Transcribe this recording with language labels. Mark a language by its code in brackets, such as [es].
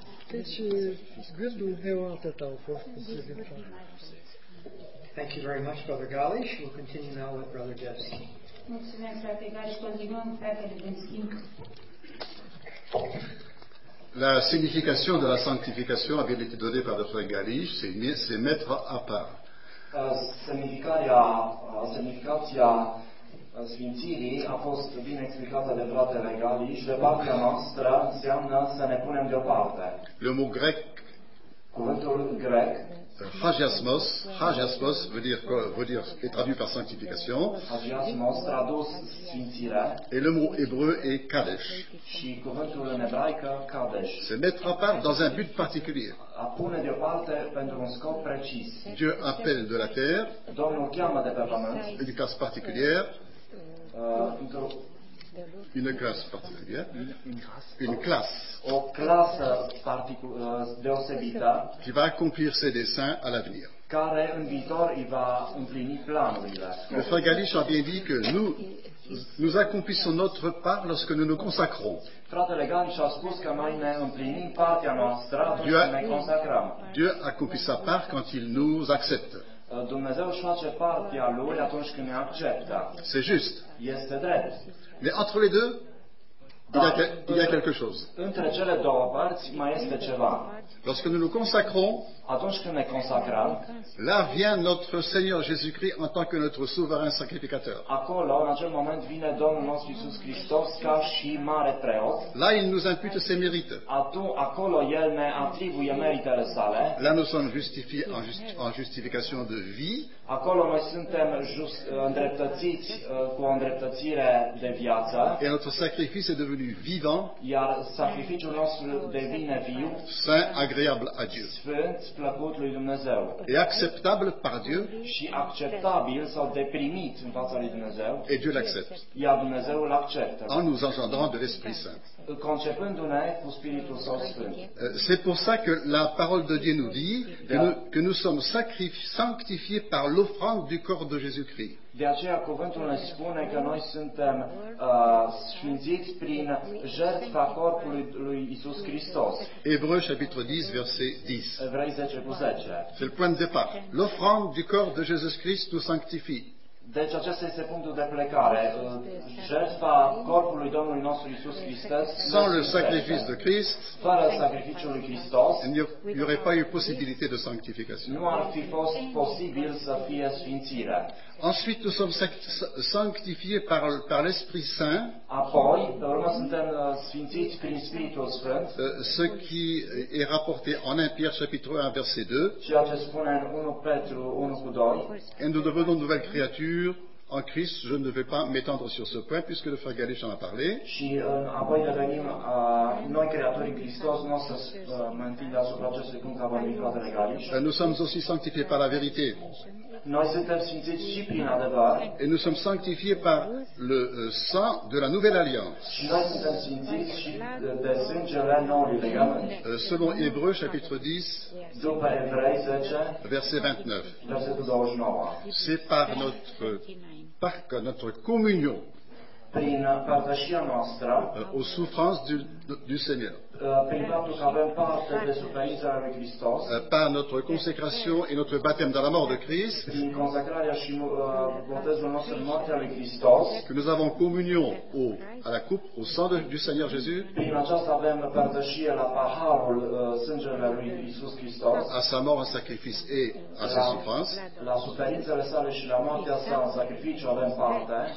[ro] Deci, gândul meu atât a fost cu privința. [en] Thank you very much, Brother Galish. We'll continue now with Brother Jeff. [ro] Mulțumesc, frate Galish. Continuăm, fratele Benzin. [fr] La signification de la sanctification avait été donnée par le frère Galich, c'est mettre à part. [ro] Semnificația sfințirii a fost bine explicată de fratele Galich. De partea noastră înseamnă să ne punem deoparte. [fr] Le mot grec. [ro] Cuvântul grec. [fr] Hagiasmos, Hagiasmos veut dire, est traduit par sanctification. [ro] Hagiasmos tradus sfințire. [fr] Et le mot hébreu est Kadesh. [ro] Și cuvântul în ebraică Kadesh. [fr] Se mettre à part dans un but particulier. [ro] A pune deoparte pentru un scop precis. [fr] Dieu appelle de la terre. [ro] Domnul cheamă de pe pământ. [fr] Une classe particulière. Une classe particulière. Une classe. [ro] O clasă deosebită. [fr] Qui va accomplir ses desseins à l'avenir. [ro] Care în viitor îi va împlini planurile. [fr] Le frère Galich a bien dit que nous accomplissons notre part lorsque nous nous consacrons. [ro] Fratele Galich a spus că noi ne împlinim partea noastră atunci când ne consacrăm. [fr] Dieu accomplit sa part quand il nous accepte. [ro] Dumnezeu își face partea lui atunci când ne acceptă. [fr] C'est juste. [ro] Este drept. [fr] Mais entre les deux, il y a quelque chose. [ro] Între cele două părți mai este ceva. [fr] Lorsque nous nous consacrons, [ro] atunci când ne consacrăm, [fr] là vient notre Seigneur Jésus-Christ en tant que notre souverain sacrificateur. [ro] Acolo, în acel moment, vine Domnul nostru Iisus Hristos ca și mare preot. [fr] Là, il nous impute ses mérites. [ro] Acolo, el ne atribuie meritele sale. [fr] Là, nous sommes justifiés en justification de vie. [ro] Acolo, noi suntem îndreptățiți cu o îndreptățire de viață. [fr] Et notre sacrifice est devenu vivant. [ro] Iar sacrificiul nostru devine viu. [fr] Saint, agréable à Dieu. [ro] Sfânt, plăcut lui Dumnezeu. [fr] Et acceptable par Dieu. [ro] Și acceptabil sau deprimit în fața lui Dumnezeu. [fr] Et Dieu l'accepte. [ro] Iar Dumnezeu l'acceptă. [fr] En nous engendrant de l'Esprit Saint. [ro] Concepându-ne cu Spiritul Său Sfânt. [fr] C'est pour ça que la parole de Dieu nous dit que nous sommes sanctifiés par l'offrande du corps de Jésus-Christ. [ro] De aceea cuvântul ne spune că noi suntem sfințiți prin jertfa corpului lui Iisus Hristos. [fr] Hébreux chapitre 10 verset 10. [ro] Evrei 10 cu 10. [fr] C'est le point de départ. L'offrande du corps de Jésus-Christ nous sanctifie. [ro] Deci acesta este punctul de plecare. Jertfa corpului Domnului nostru Iisus Hristos. [fr] Sans le sacrifice de Christ, [ro] fără sacrificiul lui Hristos, [fr] il n'y aurait pas eu possibilité de sanctification. [ro] Nu ar fi fost posibil să fie sfințire. [fr] Ensuite, nous sommes sanctifiés par l'Esprit Saint. [ro] Apoi, urmând, suntem sfințiți prin Spiritul Sfânt. [fr] Ce qui est rapporté en 1 Pierre chapitre 1 verset 2. [ro] Ceea ce spune în 1 Petru 1 cu 2. [fr] Et nous devenons de nouvelles créatures en Christ. Je ne vais pas m'étendre sur ce point puisque le frère Galich en a parlé. [ro] Și apoi devenim noi creaturi în Hristos. Nu o să mă întind asupra acestui punct ca vorbim cu fratele Galich. [fr] Nous sommes aussi sanctifiés par la vérité. [ro] Noi suntem sfințiți și prin adevăr. [fr] Et nous sommes sanctifiés par le sang de la nouvelle alliance. [ro] Și noi suntem sfințiți și de sângele noului legământ. [fr] Selon Hébreux chapitre 10, [ro] după Evrei 10, [fr] verset 29. [ro] Versetul 29. [fr] C'est par notre communion. [ro] Prin partașia noastră. [fr] Aux souffrances du Seigneur. [ro] Prin faptul că avem parte de suferințele lui Hristos. [fr] Par notre consécration et notre baptême dans la mort de Christ. [ro] Prin consacrarea și botezul nostru în moartea lui Hristos. [fr] Que nous avons communion à la coupe, au sang du Seigneur Jésus. [ro] Prin aceasta avem partășie la paharul sângele lui Iisus Hristos. [fr] À sa mort, un sacrifice et à ses souffrances. [ro] La suferințele sale și la moartea sa, în sacrificiu avem parte.